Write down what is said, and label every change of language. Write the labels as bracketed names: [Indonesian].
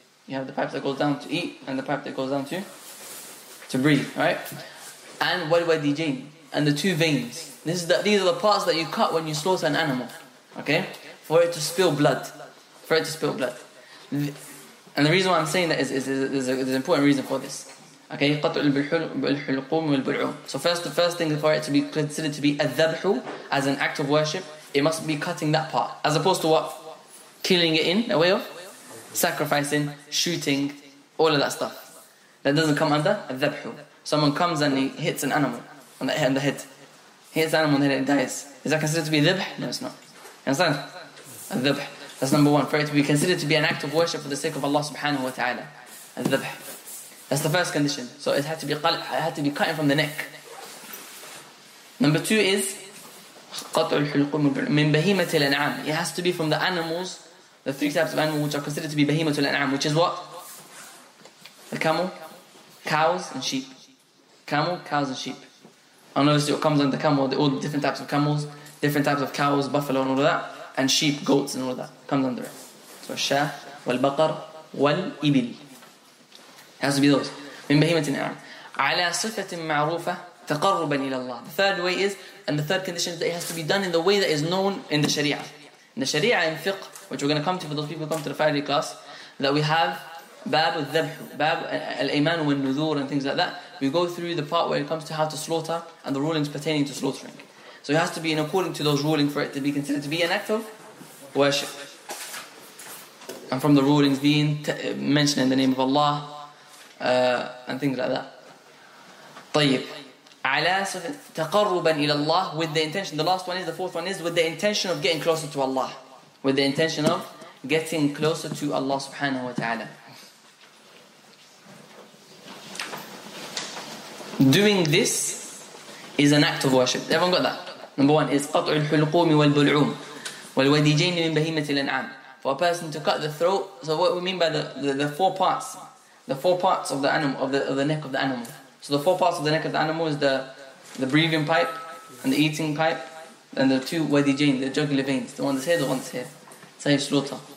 [English] You have the pipe that goes down to eat and the pipe that goes down to breathe, right? And [Arabic] والوديجين [English] and the two veins. These are the parts that you cut when you slaughter an animal, okay? For it to spill blood. And the reason why I'm saying that is there's an important reason for this. Okay, [Arabic] قطع الحلقوم والبلعوم. [English] So first thing, for it to be considered to be a ذبح as an act of worship, it must be cutting that part, as opposed to what? Killing it in a way of sacrificing, shooting, all of that stuff. That doesn't come under a ذبح. Someone comes and he hits an animal on the head. Hits an animal and then it dies. Is that considered to be a ذبح? No, it's not. You understand? A ذبح. That's number one. For it to be considered to be an act of worship for the sake of Allah subhanahu wa ta'ala. A ذبح. That's the first condition. So it had to be cutting from the neck. Number two is [Arabic] قطع الحلقوم من بهيمة الأنعام. [English] It has to be from the animals, the three types of animals which are considered to be بهيمة الأنعام, which is what? The camel, cows, and sheep. Camel, cows, and sheep. And obviously it comes under the camel, all the different types of camels, different types of cows, buffalo, and all of that, and sheep, goats, and all of that. Comes under it. So [Arabic] الشاة والبقر والإبل. [English] It has to be those. [Arabic] من بهيمة الأنعام. على صفة معروفة تقربا إلى الله. [English] The third way is, and the third condition is that it has to be done in the way that is known in the Sharia. In the Sharia in Fiqh, which we're going to come to for those people who come to the Friday class, that we have [Arabic] باب الذبح, باب الإيمان والنذور [English] and things like that. We go through the part where it comes to how to slaughter and the rulings pertaining to slaughtering. So it has to be in according to those rulings for it to be considered to be an act of worship. And from the rulings being mentioned in the name of Allah, and things like that. [Arabic] طيب على صفة تقربا إلى الله [English] with the intention, the last one is, the fourth one is, with the intention of getting closer to Allah. With the intention of getting closer to Allah subhanahu wa ta'ala. Doing this is an act of worship. Everyone got that? Number one is [Arabic] قطع الحلقوم والبلعوم والوديجين من بهيمة الأنعام. [English] For a person to cut the throat, so what we mean by the four parts, the four parts of the animal, of the neck of the animal. So the four parts of the neck of the animal is the breathing pipe and the eating pipe and the two wadijain, the jugular veins, the one that's here, the one that's here. Say slaughter.